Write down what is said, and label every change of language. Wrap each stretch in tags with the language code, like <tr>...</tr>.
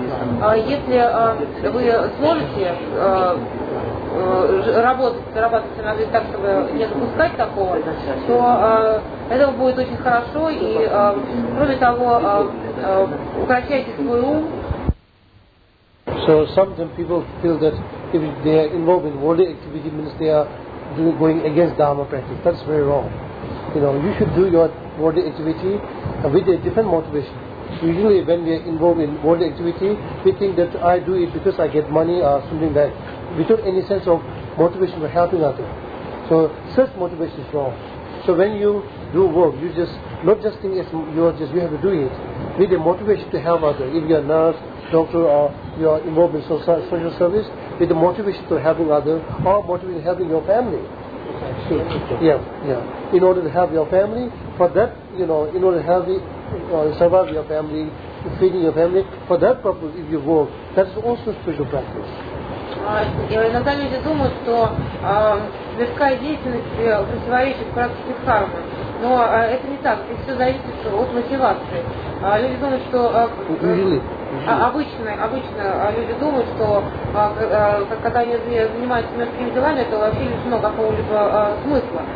<ru>Если вы сможете работать, зарабатывать на жизнь так, чтобы не допускать такого, то этого будет очень хорошо. И кроме того, укращайте свой ум.</ru> <en>So sometimes people feel that if they are involved in worldly activity, means they are going against Dharma practice. That's very wrong. You know, you should do your worldly activity with a different motivation. Usually when we are involved in worldly activity, we think that I do it because I get money or something back, without any sense of motivation for helping others. So such motivation is wrong. So when you do work, you just not just think it's you have to do it with a motivation to help others. If you are a nurse, doctor, or you are involved in social service, with the motivation to helping others, or motivation helping your family. In order to help your family, for that, you know, in order to help survive your family, feeding your family, for that purpose, if you work, that's also spiritual practice.</en> <ru>Иногда люди думают, что мирская деятельность противоречит практике дхармы. Но это не так. Это все зависит от мотивации. Люди думают, что люди думают, что когда они занимаются мирскими делами, это вообще лишено какого-либо смысла.</ru>